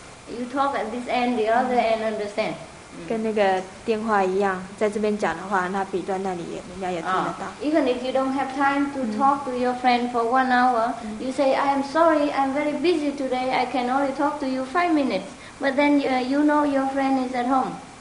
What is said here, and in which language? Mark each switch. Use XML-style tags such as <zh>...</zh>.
<en>You talk at this end, the other end understand.</en> <zh>跟那个电话一样，在这边讲的话，那笔端那里人家也听得到。</zh> <en>Even if you don't have time to talk to your friend for 1 hour, you say, "I am sorry, I'm very busy today. I can only talk to you 5 minutes." But then you know your friend is at home.</en>